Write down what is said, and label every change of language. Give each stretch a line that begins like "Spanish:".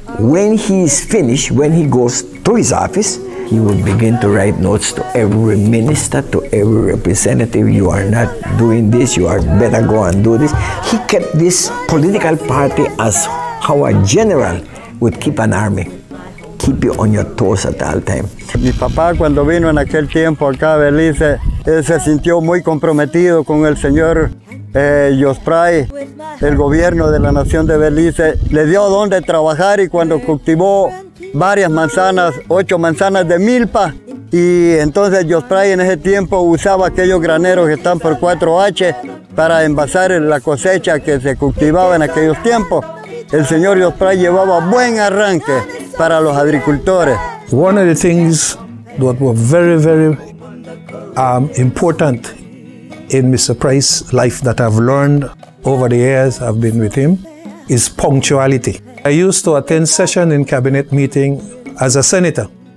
English: When he is finished, when he goes to his office, he will begin to write notes to every minister, to every representative. You are not doing this, you are better go and do this. He kept this political party as how a general would keep an army. Keep you on your toes at all time.
Spanish: Mi papá cuando vino en aquel tiempo acá a Belice, él se sintió muy comprometido con el señor Jospray. El gobierno de la nación de Belice le dio donde trabajar y cuando cultivó varias manzanas, 8 manzanas de milpa, y entonces Jospray en ese tiempo usaba aquellos graneros que están por 4H para envasar la cosecha que se cultivaba en aquellos tiempos. El señor Jospray llevaba buen arranque para los agricultores.
English: One of the things that were very, very important in Mr. Price's life that I've learned over the years I've been with him is punctuality. I used to attend session in cabinet meeting as a senator.